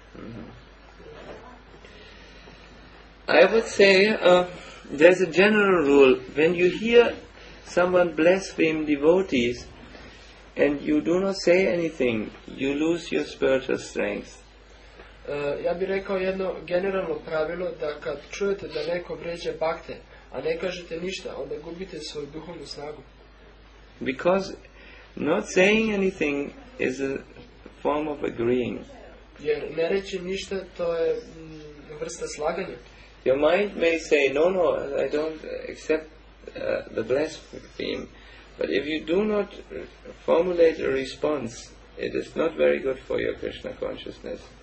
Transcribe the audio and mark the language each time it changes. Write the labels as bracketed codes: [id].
[en] Mm-hmm. I would say there's a general rule: when you hear someone blaspheme devotees, and you do not say anything, you lose your spiritual strength. [sr] Ja bih rekao jedno generalno pravilo, da kad čujete da neko vređa bhakte, a ne kažete ništa, onda gubite svoju duhovnu snagu. [en] Because not saying anything is a form of agreeing. [sr] Jer ne reći ništa, to je vrsta slaganja. [en] Your mind may say, no, I don't accept the blaspheme. But if you do not formulate a response, it is not very good for your Krishna consciousness.